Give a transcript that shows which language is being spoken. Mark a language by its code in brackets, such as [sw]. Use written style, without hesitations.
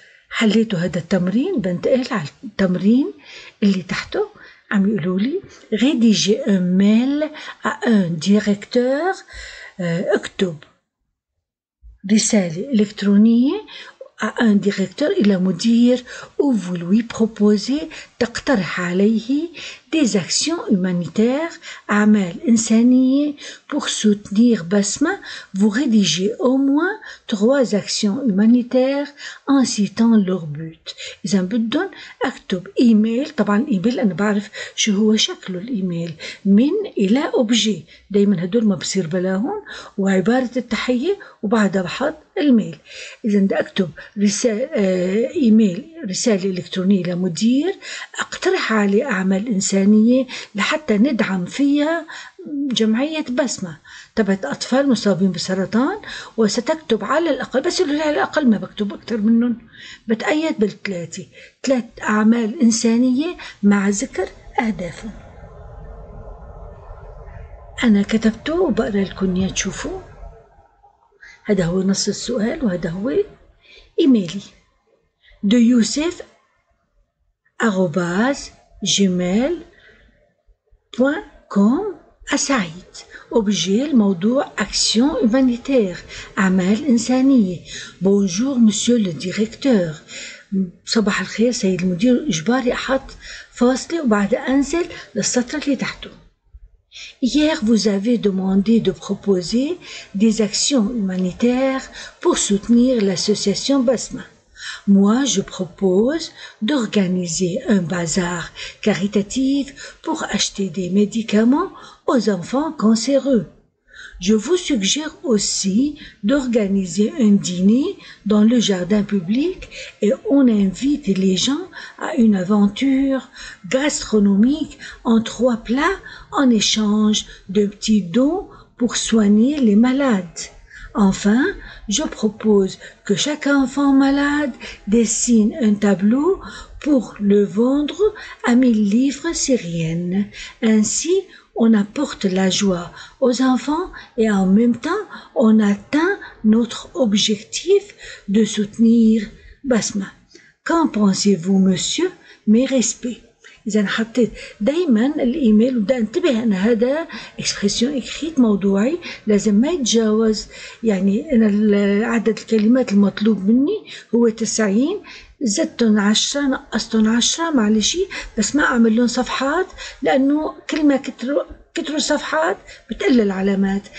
[ar] حليتوا هذا التمرين، بنتقل على التمرين اللي تحته. عم يقولوا لي [fr] rédiger un mail à un directeur، [ar] اكتب رسالة إلكترونية [fr] à un directeur، [ar] إلى مدير، [fr] où vous lui proposez، [ar] تقترح عليه [fr] des actions humanitaires، [ar] أعمال إنسانية، [fr] pour soutenir Basma، vous rédigez au moins trois actions humanitaires en citant leur but. [ar] إذا بدهم أكتب إيميل، طبعا إيميل أنا بعرف شو هو شكله الإيميل، من إلى أوبجي، دايما هدول ما بصير بلاهم، وعبارة التحية وبعدها بحط الميل. إذا بدي أكتب إيميل رسالة إلكترونية لمدير، أقترح عليه أعمال إنسانية لحتى ندعم فيها جمعية بسمة تبعت أطفال مصابين بالسرطان، وستكتب على الأقل، بس اللي على الأقل ما بكتب أكثر منهم، بتأيد بالثلاثة، ثلاث أعمال إنسانية مع ذكر أهدافهم. أنا كتبته وبقرأ لكم إياه، تشوفوا هذا هو نص السؤال وهذا هو إيميلي. [fr] de yousef@gmail.com à Saïd. Objet, [ar] الموضوع [fr] action humanitaire، [ar] أعمال إنسانية. [fr] bonjour monsieur le directeur، [ar] صباح الخير سيد المدير. إجباري أحط فاصلة وبعد أنزل للسطر اللي تحته. [fr] Hier, vous avez demandé de proposer des actions humanitaires pour soutenir l'association Basma. Moi, je propose d'organiser un bazar caritatif pour acheter des médicaments aux enfants cancéreux. Je vous suggère aussi d'organiser un dîner dans le jardin public et on invite les gens à une aventure gastronomique en trois plats en échange de petits dons pour soigner les malades. Enfin, je propose que chaque enfant malade dessine un tableau pour le vendre à 1000 livres syriennes. Ainsi, on apporte la joie aux enfants et en même temps, on atteint notre objectif de soutenir Basma. Qu'en pensez-vous, monsieur? Mes respects. [ar] إذا حطيت دايما الإيميل، وبدي أنتبه أنا هذا إكسبريسيون إكريت موضوعي، لازم ما يتجاوز، يعني أنا عدد الكلمات المطلوب مني هو 90، زدتن 10، نقصتن 10، معلش بس ما أعمل لهم صفحات، لأنه كل ما كتروا صفحات بتقل العلامات.